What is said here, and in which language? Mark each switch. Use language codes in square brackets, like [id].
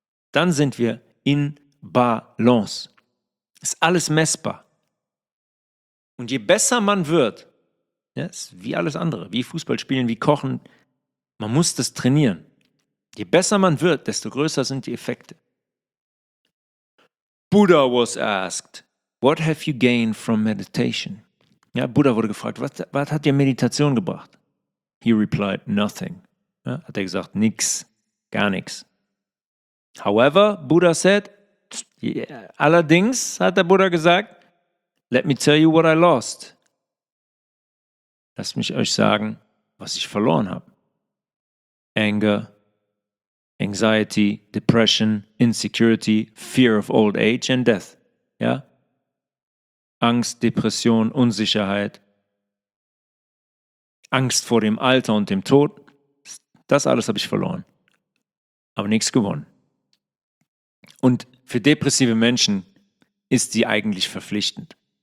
[de] Dann sind wir in Balance. Ist alles messbar. Und je besser man wird, ja, ist wie alles andere, wie Fußball spielen, wie kochen, man muss das trainieren. Je besser man wird, desto größer sind die Effekte. [en] Buddha was asked, what have you gained from meditation? [de] Ja, Buddha wurde gefragt, was hat dir Meditation gebracht? [en] He replied, nothing. [de] Ja, hat er gesagt, nix, gar nichts. [en] However, Buddha said, [de] allerdings hat der Buddha gesagt, [en] let me tell you what I lost. [de] Lasst mich euch sagen, was ich verloren habe. Anger, anxiety, depression, insecurity, fear of old age and death. Ja? Angst, Depression, Unsicherheit, Angst vor dem Alter und dem Tod. Das alles habe ich verloren. Aber nichts gewonnen. Und für depressive Menschen ist die eigentlich verpflichtend.